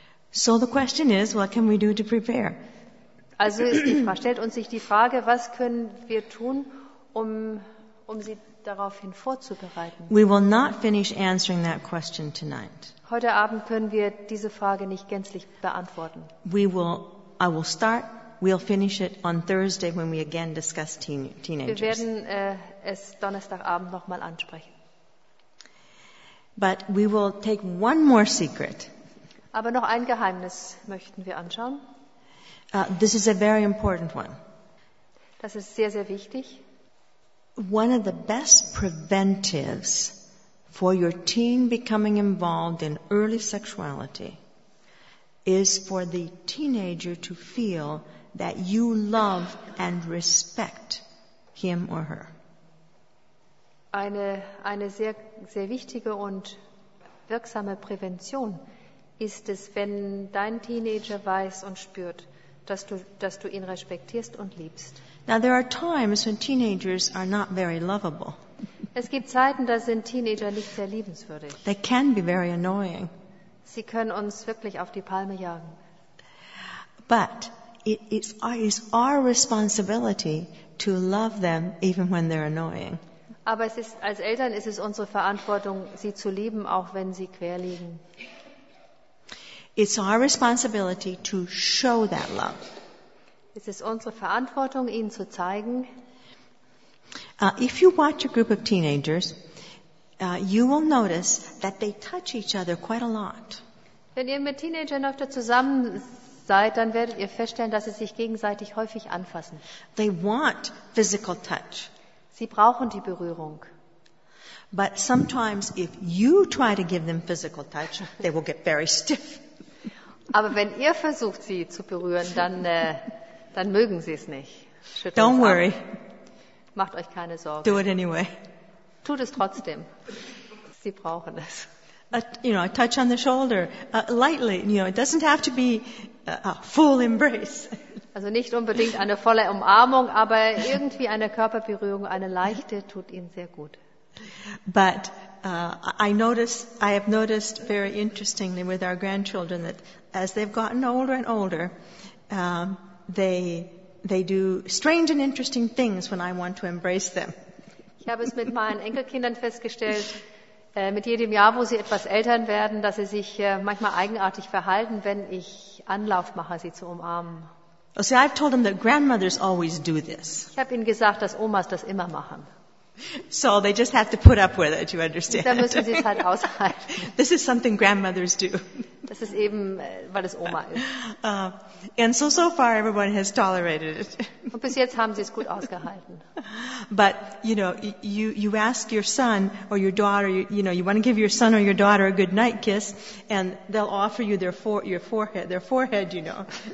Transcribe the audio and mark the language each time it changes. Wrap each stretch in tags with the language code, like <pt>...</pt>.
<en>So the question is, what can we do to prepare?</en> <de>Also stellt uns sich die Frage, was können wir tun, um sie daraufhin vorzubereiten?</de> <en>We will not finish answering that question tonight.</en> <de>Heute Abend können wir diese Frage nicht gänzlich beantworten.</de> <en>I will start, we'll finish it on Thursday when we again discuss teenagers.</en> <de>Wir werden es Donnerstagabend noch mal ansprechen.</de> <en>But we will take one more secret.</en> <de>Aber noch ein Geheimnis möchten wir anschauen.</de> <en>This is a very important one.</en> <de>Das ist sehr, sehr wichtig.</de> <en>One of the best preventives for your teen becoming involved in early sexuality is for the teenager to feel that you love and respect him or her.</en> <de>Eine sehr, sehr wichtige und wirksame Prävention ist es, wenn dein Teenager weiß und spürt, dass du ihn respektierst und liebst.</de> <en>Now there are times when teenagers are not very lovable.</en> <de>Es gibt Zeiten, da sind Teenager nicht sehr liebenswürdig.</de> <en>They can be very annoying.</en> <de>Sie können uns wirklich auf die Palme jagen.</de> <en>But it is our responsibility to love them even when they're annoying.</en> <de>Aber als Eltern ist es unsere Verantwortung, sie zu lieben, auch wenn sie quer liegen.</de> <en>It's our responsibility to show that love.</en> <de>Es ist unsere Verantwortung, ihnen zu zeigen.</de> <en>If you watch a group of teenagers, you will notice that they touch each other quite a lot.</en> <de>Wenn ihr mit Teenagern öfter zusammen seid, dann werdet ihr feststellen, dass sie sich gegenseitig häufig anfassen.</de> <en>They want physical touch.</en> <de>Sie brauchen die Berührung.</de> <en>But sometimes if you try to give them physical touch, they will get very stiff.</en> <de>Aber wenn ihr versucht, sie zu berühren, dann dann mögen sie es nicht. Schüttelt</de> <en>Don't worry.</en> <de>Macht euch keine Sorgen.</de> <en>Do it anyway.</en> <de>Tut es trotzdem. Sie brauchen es.</de> <en>A touch on the shoulder, lightly. It doesn't have to be a full embrace.</en> <de>Also nicht unbedingt eine volle Umarmung, aber irgendwie eine Körperberührung, eine leichte, tut ihnen sehr gut.</de> <en>But I have noticed very interestingly with our grandchildren that as they've gotten older and older, they do strange and interesting things when I want to embrace them.</en> <de>Ich habe es mit meinen Enkelkindern festgestellt, mit jedem Jahr, wo sie etwas älter werden, dass sie sich manchmal eigenartig verhalten, wenn ich Anlauf mache, sie zu umarmen.</de> <en>Oh, see, I've told them that grandmothers always do this.</en> <de>Ich habe ihnen gesagt, dass Omas das immer machen.</de> <en>So they just have to put up with it, you understand?</en> <de>Dann müssen sie es halt aushalten.</de> <en>This is something grandmothers do.</en> <de>Das ist eben, weil es Oma ist.</de> <en>And so far everyone has tolerated it.</en> <de>Und bis jetzt haben sie es gut ausgehalten.</de> <en>But you ask your son or your daughter, you want to give your son or your daughter a good night kiss, and they'll offer you their forehead, you know.</en>